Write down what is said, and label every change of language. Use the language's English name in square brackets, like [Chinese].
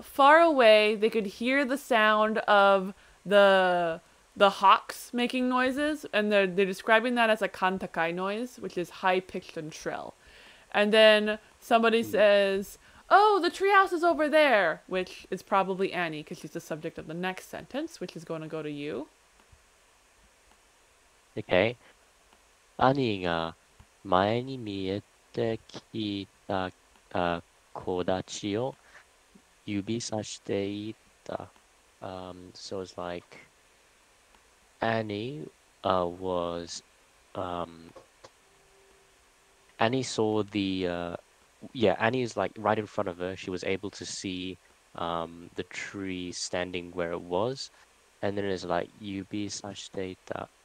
[English] Far away, they could hear the sound of the hawks making noises, and they're describing that as a kantakai noise, which is high pitched and shrill. And then somebody says, "Oh, the treehouse is over there," which is probably Annie because she's the subject of the next sentence, which is going to go to you. Okay. [Japanese] 兄が前に見えてきた木立を指さしていた。 [English] So it's like Annie saw the Annie is like right in front of her. She was able to see the tree standing where it was, and then it's like [Japanese] yubi sashiteita.